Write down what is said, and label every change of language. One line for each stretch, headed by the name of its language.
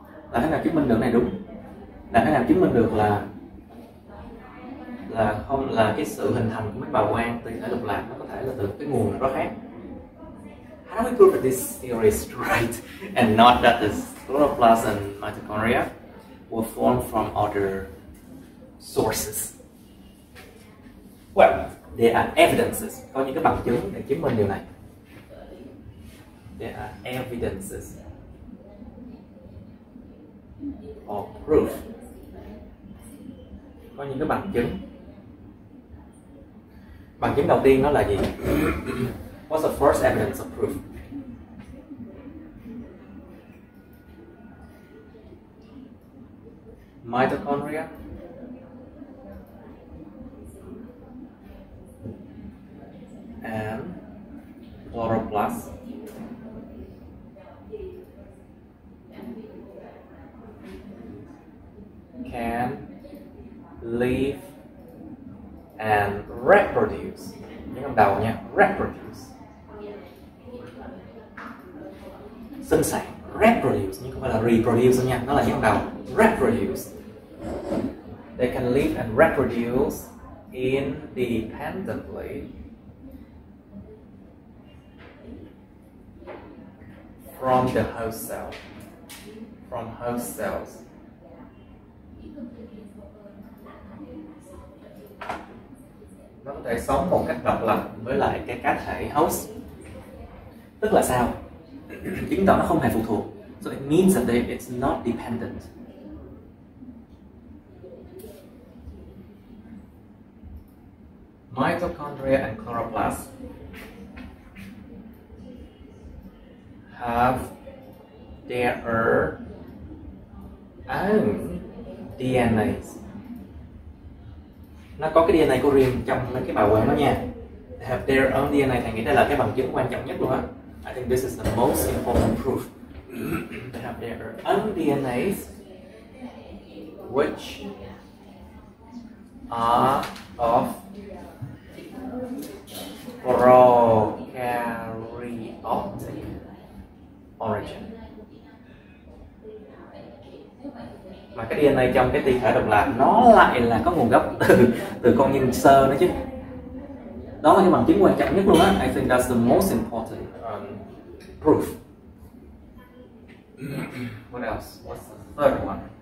Vietnamese: Làm thế nào chứng minh được này đúng? Làm thế nào chứng minh được là không là cái sự hình thành của mấy bào quang từ thể lục lạc nó có thể là từ cái nguồn nào đó khác.
English: How do we prove that this theory is right and not that the chloroplasts and mitochondria were formed from other sources? Well, there are evidences.
Vietnamese: Có những cái bằng chứng để chứng minh điều này.
English: There are evidences or proof.
Vietnamese: Có những cái bằng chứng. Bằng chứng đầu tiên nó là gì?
English: What's the first evidence of proof? Mitochondria. And chloroplast. Can live and reproduce.
Vietnamese: Nhớ âm đầu nha,
English: reproduce.
Vietnamese: Sinh sản, reproduce, nhưng không phải là reproduce nha, nó là nhớ âm đầu,
English: reproduce. They can live and reproduce independently from the host cell, from host cells.
Vietnamese: Nó có thể sống một cách độc lập với lại cái cá thể host. Tức là sao? Chứng tỏ nó không hề phụ thuộc.
English: So it means that it's not dependent. Mitochondria and chloroplasts have their own DNA.
Vietnamese: Nó có cái DNA của riêng trong mấy cái bào quang đó nha.
English: They have their own DNA,
Vietnamese: thầy nghĩ đây là cái bằng chứng quan trọng nhất luôn á.
English: I think this is the most important proof. They have their own DNA, which are of prokaryotic origin.
Vietnamese: Mà cái DNA trong cái tinh thể độc lạc nó lại là có nguồn gốc từ con nhân sơ nữa chứ. Đó là cái bằng chứng quan trọng nhất luôn á.
English: I think that's the most important proof. What else? What's the third one?